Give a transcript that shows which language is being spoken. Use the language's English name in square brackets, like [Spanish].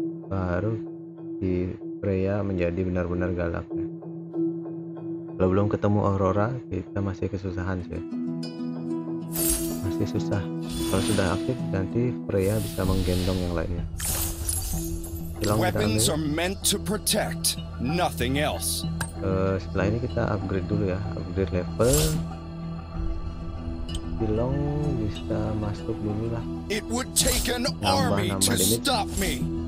[Indonesian] Baru si Freya menjadi benar-benar galak. Kalau belum ketemu Aurora, kita masih kesusahan sih. Masih susah. Kalau sudah aktif, nanti Freya bisa menggendong yang lainnya. [English] Weapons are meant to protect, nothing else. [Indonesian] Setelah ini kita upgrade dulu ya, upgrade level. Kilong bisa masuk dulu lah. [English] It would take an army to stop me.